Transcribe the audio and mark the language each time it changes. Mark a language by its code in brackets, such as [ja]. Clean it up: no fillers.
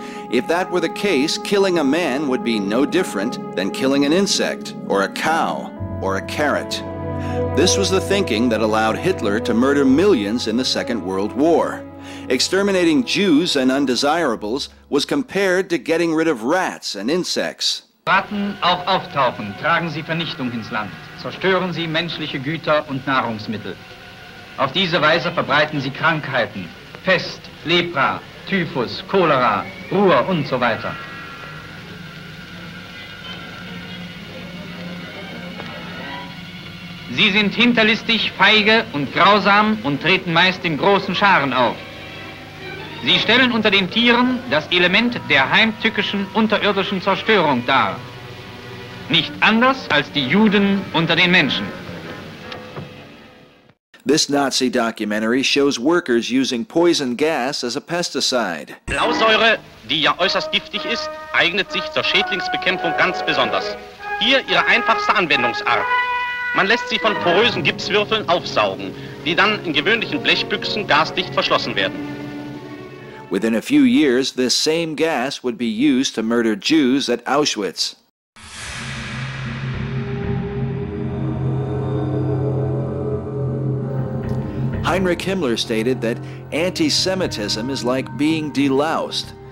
[en] If that were the case, killing a man would be no different than killing an insect, or a cow, or a carrot. This was the thinking that allowed Hitler to murder millions in the Second World War. Exterminating Jews and undesirables was compared to getting rid of rats and insects. [de] Ratten auch auftauchen, tragen sie Vernichtung ins Land. Zerstören sie menschliche Güter und Nahrungsmittel. Auf diese Weise verbreiten sie Krankheiten, Pest, Lepra, Typhus, Cholera, Ruhr und so weiter. Sie sind hinterlistig, feige und grausam und treten meist in großen Scharen auf. Sie stellen unter den Tieren das Element der heimtückischen unterirdischen Zerstörung dar. Nicht anders als die Juden unter den Menschen. [en] This Nazi documentary shows workers using poison gas as a pesticide. [de] Blausäure, die ja äußerst giftig ist, eignet sich zur Schädlingsbekämpfung ganz besonders. Hier ihre einfachste Anwendungsart. Man lässt sie von porösen Gipswürfeln aufsaugen, die dann in gewöhnlichen Blechbüchsen gasdicht verschlossen werden. [en] Within a few years, this same gas would be used to murder Jews at Auschwitz. Heinrich Himmler stated that anti-Semitism is like being deloused.